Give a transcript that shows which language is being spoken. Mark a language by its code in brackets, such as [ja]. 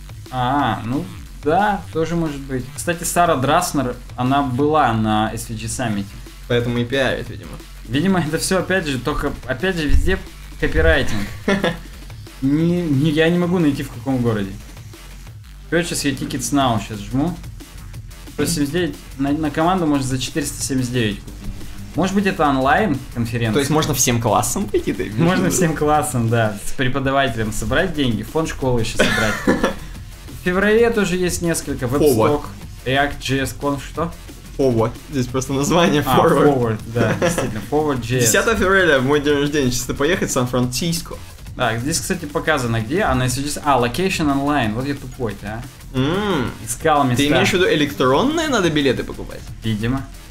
[ru] А, ну... Да, тоже может быть. Кстати, Сара Драснер, она была на SVG Summit. Поэтому и пиарит, видимо. Видимо, это все опять же, только опять же везде копирайтинг. Я не могу найти в каком городе. [en] Purchase your tickets now, [ru] сейчас жму. 179, на команду может за 479 купить. Может быть, это онлайн конференция? То есть можно всем классом пойти? Можно всем классом, да. С преподавателем собрать деньги, фонд школы еще собрать. В феврале тоже есть несколько. Webstock, React.js, Conf, что? Forward. Здесь просто название Forward. А, Forward, да, действительно. Forward.js. 10 февраля, мой день рождения, чисто поехать в Сан-Франциско. Так, здесь, кстати, показано, где она сейчас... А, Location Online, вот я тупой-то, а. Искал места. Ты имеешь в виду электронные надо билеты покупать? Видимо.